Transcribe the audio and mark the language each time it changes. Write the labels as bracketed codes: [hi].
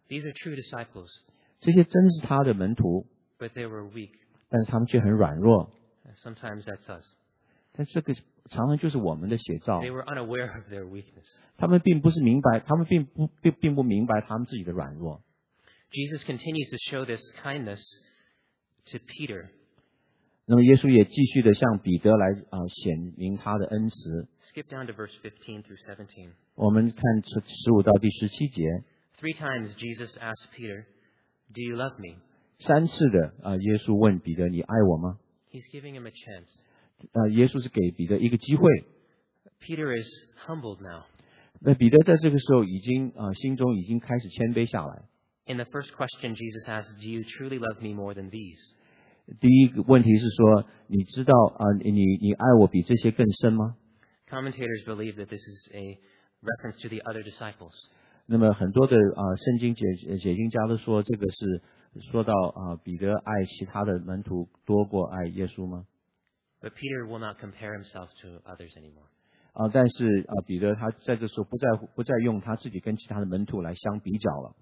[en] These are true disciples. [zh] 这些真是他的门徒。 [en] But they were weak. [zh] 但是他们却很软弱。 [en] Sometimes that's us. [zh] 但这个常常就是我们的写照。 [en] They were unaware of their weakness. [zh] 他们并不是明白，他们并不明白他们自己的软弱。 [en] Jesus continues to show this kindness to Peter. [zh] 那么耶稣也继续的向彼得来显明他的恩慈。 [en] Skip down to verse 15 through 17. [zh] 我们看15到第17节。 [en] Three times Jesus asked Peter, "Do you love me?" [zh] 三次的耶稣问彼得，你爱我吗？ [en] He's giving him a chance. [zh] 耶稣是给彼得一个机会。 [en] Peter is humbled now. [zh] 那彼得在这个时候已经心中已经开始谦卑下来。 [en] In the first question, Jesus asks, "Do you truly love me more than these?" [zh] 第一个问题是说，你知道你爱我比这些更深吗？ [en] Commentators believe that this is a reference to the other disciples. [zh] 那么很多的圣经解经家都说，这个是说到彼得爱其他的门徒多过爱耶稣吗？ [en] But Peter will not compare himself to others anymore. [zh] 但是彼得他在这时候不再用他自己跟其他的门徒来相比较了。